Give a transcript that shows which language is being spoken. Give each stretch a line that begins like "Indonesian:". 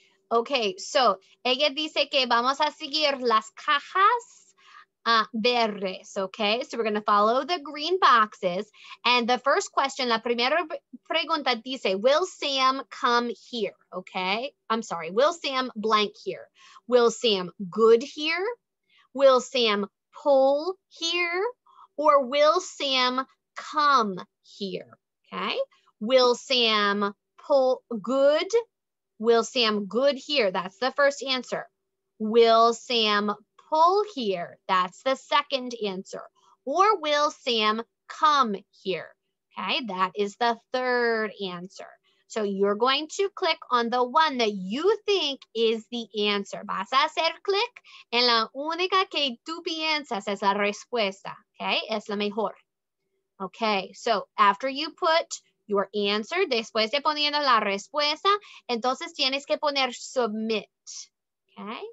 Spanish: okay, so ella dice que vamos a seguir las cajas verdes, okay?
English: So we're going to follow the green boxes. And the first question, la primera pregunta dice, will Sam come here, okay? I'm sorry, will Sam blank here? Will Sam good here? Will Sam pull here? Or will Sam come here, okay? Will Sam pull good? Will Sam good here? That's the first answer. Will Sam pull here? That's the second answer. Or will Sam come here? Okay, that is the third answer. So you're going to click on the one that you think is the answer.
Spanish: Vas a hacer click en la única que tú piensas es la respuesta. Okay, es la mejor. Okay,
English: so after you put your answer,
Spanish: después de poniendo la respuesta, entonces tienes que poner submit, okay?